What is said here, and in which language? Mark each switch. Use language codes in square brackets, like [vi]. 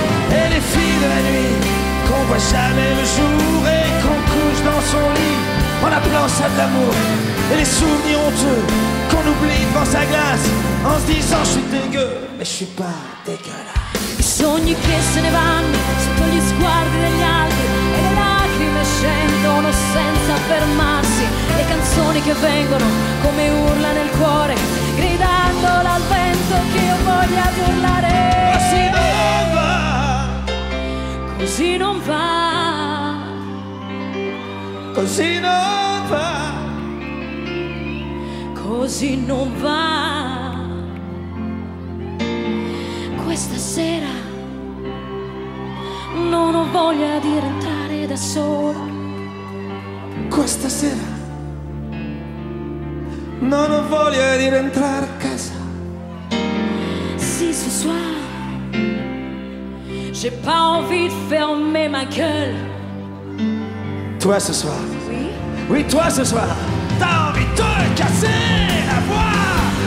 [fr] Et les filles de la nuit qu'on voit jamais le jour. Et qu'on couche dans son lit en appelant ça de l'amour. Et les souvenirs honteux qu'on oublie devant sa glace. En se disant je suis dégueu, mais je suis pas dégueulasse. [it] I sogni che se ne vanno sotto gli sguardi degli altri. E le lacrime scendono senza fermarsi. Le canzoni che vengono come urla nel cuore. Gridando al vento che io voglia di urlare. Così non va. Così non va. Così non va. Così non va. Questa sera non ho voglia di rientrare da sola. Questa sera non ho voglia di rientrare a casa. [fr] Si, ce soir, j'ai pas envie de fermer ma gueule. Toi ce soir. Oui. Oui, toi ce soir. T'as envie de casser la voix.